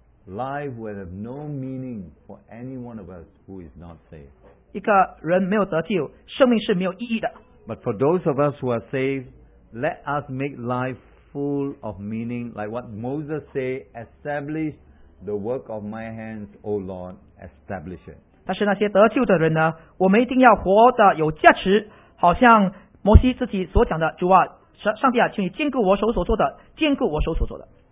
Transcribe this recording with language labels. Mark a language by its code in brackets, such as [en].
[en] Life will have no meaning for any one of us who is not saved. [zh] 一个人没有得救，生命是没有意义的。 [en] But for those of us who are saved, let us make life full of meaning, like what Moses said, establish the work of my hands, O Lord, establish it. [zh] 但是那些得救的人呢，我们一定要活得有价值，好像摩西自己所讲的，主啊，上帝啊，请你坚固我手所做的，坚固我手所做的。